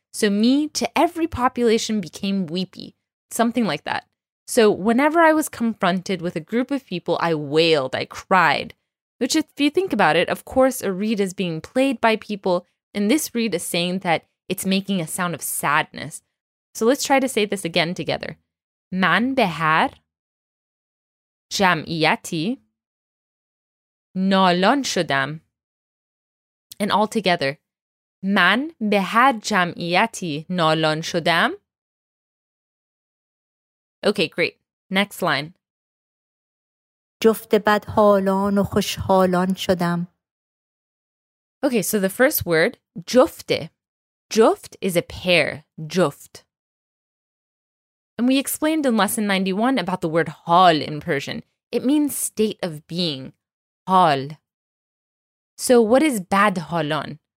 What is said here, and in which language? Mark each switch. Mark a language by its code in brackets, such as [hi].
[en] So me to every population became weepy, something like that. So whenever I was confronted with a group of people, I wailed, I cried. Which if you think about it, of course a reed is being played by people, And this reed is saying that it's making a sound of sadness. So let's try to say this again together. [fa] من به هر جمعیتی نالان شدم. [en] And all together. [fa] من به هر جمعیتی نالان شدم. [en] Okay, great. Next line. [fa] جفت بدحالان و خوشحالان شدم. [en] Okay, so the first word, جفته. جفت is a pair. [fa] جفت. [en] And we explained in lesson 91 about the word hal in Persian. It means state of being. Hal. So what is badhālān?